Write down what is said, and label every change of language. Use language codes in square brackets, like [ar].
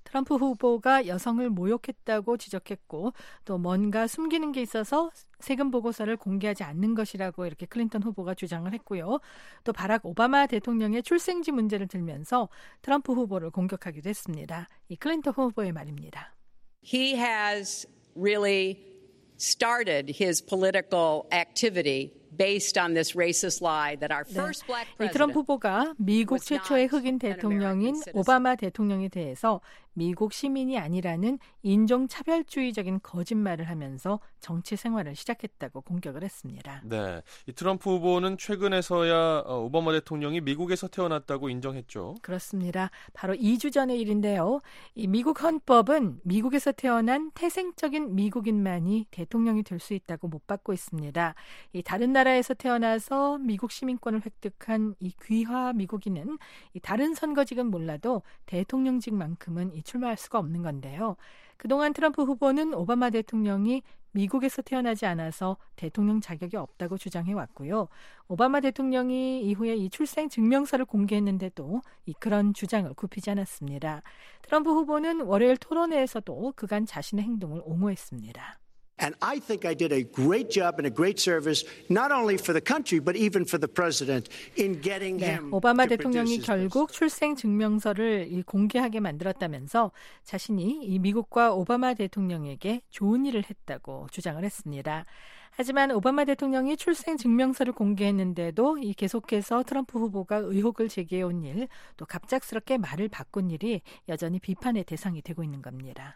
[ko] 트럼프 후보가 여성을 모욕했다고 지적했고 또 뭔가 숨기는 게 있어서 세금 보고서를 공개하지 않는 것이라고 이렇게 클린턴 후보가 주장을 했고요. 또 바락 오바마 대통령의 출생지 문제를 들면서 트럼프 후보를 공격하기도 했습니다. 이 클린턴 후보의 말입니다. [en] He has really started his political activity based on this racist lie that our first black president. [ko] 트럼프 후보가 미국 최초의 흑인 대통령인 오바마 대통령에 대해서 미국 시민이 아니라는 인종 차별주의적인 거짓말을 하면서 정치 생활을 시작했다고 공격을 했습니다. 네. 이 트럼프 후보는 최근에서야 오바마 대통령이 미국에서 태어났다고 인정했죠. 그렇습니다. 바로 2주 전의 일인데요. 이 미국 헌법은 미국에서 태어난 태생적인 미국인만이 대통령이 될 수 있다고 못 박고 있습니다. 이 다른 나라에서 태어나서 미국 시민권을 획득한 이 귀화 미국인은 이 다른 선거직은 몰라도 대통령직만큼은 출마할 수가 없는 건데요. 그동안 트럼프 후보는 오바마 대통령이 미국에서 태어나지 않아서 대통령 자격이 없다고 주장해왔고요. 오바마 대통령이 이후에 이 출생 증명서를 공개했는데도 그런 주장을 굽히지 않았습니다. 트럼프 후보는 월요일 토론회에서도 그간 자신의 행동을 옹호했습니다. [en] And I think I did a great job and a great service not only for the country but even for the president in getting him. [ko] 네, 오바마 대통령이 결국 출생 증명서를 공개하게 만들었다면서 자신이 이 미국과 오바마 대통령에게 좋은 일을 했다고 주장을 했습니다. 하지만 오바마 대통령이 출생 증명서를 공개했는데도 계속해서 트럼프 후보가 의혹을 제기해온 일, 또 갑작스럽게 말을 바꾼 일이 여전히 비판의 대상이 되고 있는 겁니다.